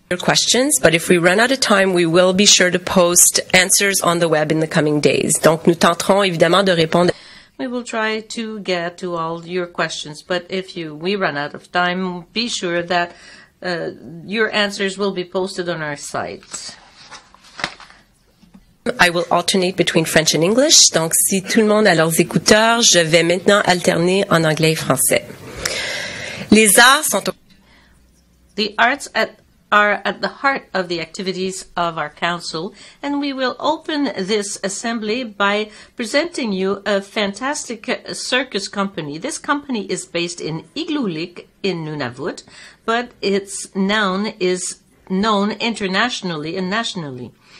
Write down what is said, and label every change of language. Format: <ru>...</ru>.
<en>Your questions, but if we run out of time, we will be sure to post answers on the web in the coming days.</en> <fr>Donc, nous tenterons évidemment de répondre. We will try to get to all your questions, but if we run out of time, be sure that your answers will be posted on our site.</fr> <en>I will alternate between French and English.</en> <fr>Donc, si tout le monde a leurs écouteurs, je vais maintenant alterner en anglais et français. Les arts sont au...</fr> <en>The arts are at the heart of the activities of our council, and we will open this assembly by presenting you a fantastic circus company. This company is based in Igloolik in Nunavut, but its noun is known internationally and nationally.</en>